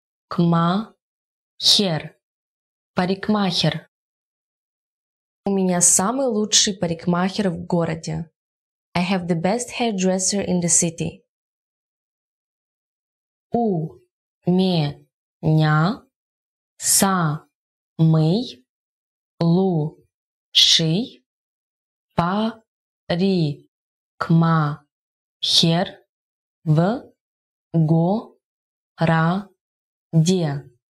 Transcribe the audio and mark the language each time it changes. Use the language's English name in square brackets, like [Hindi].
[Russian] Парикмахер. Парикмахер. У меня самый лучший парикмахер в городе. [English] I have the best hairdresser in the city. [Russian] У меня самый лучший парикмахер в городе.